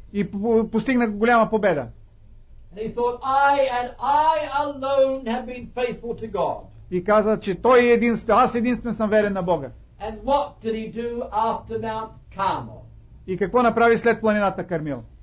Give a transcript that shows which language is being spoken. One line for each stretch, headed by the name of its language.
Bulgarian: И постигна голяма победа.
English: And he thought, I alone have been faithful to God.
Bulgarian: И каза, че той единствен съм верен на Бога.
English: And what did he do after Mount Carmel?
Bulgarian: И какво направи след планината Кармил?